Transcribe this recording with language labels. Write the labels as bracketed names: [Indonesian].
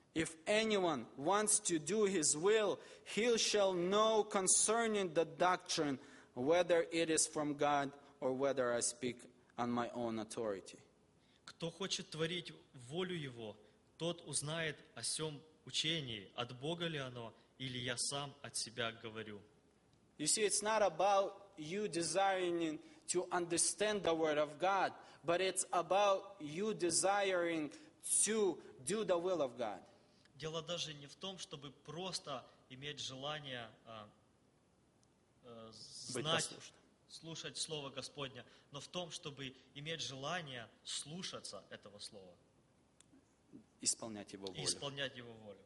[English] If anyone wants to do his will, he shall know concerning the doctrine whether it is from God or whether I speak on my own authority. [Russian] Кто хочет творить волю Его, тот узнает о сём учении, от Бога ли оно, или я сам от себя говорю. [English] You see, it's not about you desiring to understand the Word of God, but it's about you desiring to do the will of God. [Russian] Дело даже не в том, чтобы просто иметь желание знать, слушать Слово Господне, но в том, чтобы иметь желание слушаться этого Слова. Исполнять Его волю. Исполнять Его волю.